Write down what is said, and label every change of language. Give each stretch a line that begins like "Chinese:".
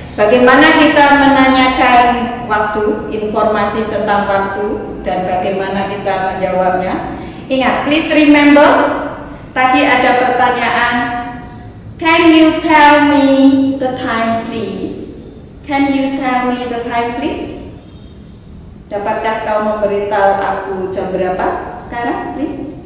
Indonesian: Bagaimana kita menanyakan waktu, informasi tentang waktu, dan bagaimana kita menjawabnya?
English: Ingat, please remember,
Indonesian: tadi ada pertanyaan,
English: can you tell me the time, please? Can you tell me the time, please?
Indonesian: Dapatkah kau memberitahu aku jam berapa sekarang, please?